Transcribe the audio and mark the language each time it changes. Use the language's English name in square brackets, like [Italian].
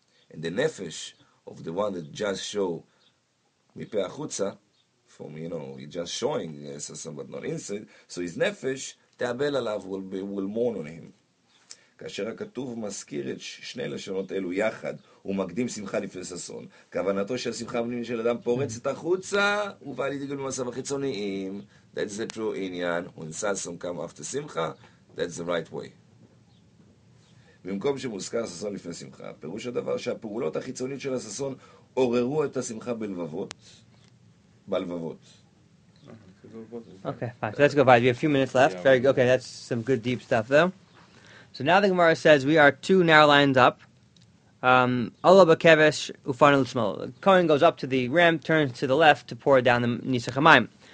[English] And the nefesh of the one that just show [Hebrew] mipe achutza, [English] from, you know, he just showing sasam, but not inside, so his nefesh, [Hebrew] te'avel alav, [English] will mourn on him. [Hebrew] כאשר הכתוב מזכיר את שני לשונות אלו יחד, הוא מקדים שמחה לפני ששון. כוונתו שהשמחה הפנימית של אדם פורצת החוצה, ובא לידי גלוי במעשיו החיצוניים. [English] That's the true עניין. When ששון come after שמחה, that's the right way. [Hebrew] במקום שמוזכר ששון לפני שמחה, פירוש הדבר שהפעולות החיצוניות של הששון עוררו את השמחה בלבבות. בלבבות. [English] Okay, fine. So let's go by. We have a few minutes left. Very good. Okay, that's some good deep stuff though. So now the Gemara says we are two narrow lines up. [Hebrew] Olo bekevesh ufanu l'shmol. [English] The Kohen goes up to the ramp, turns to the left to pour down the nisach hamayim.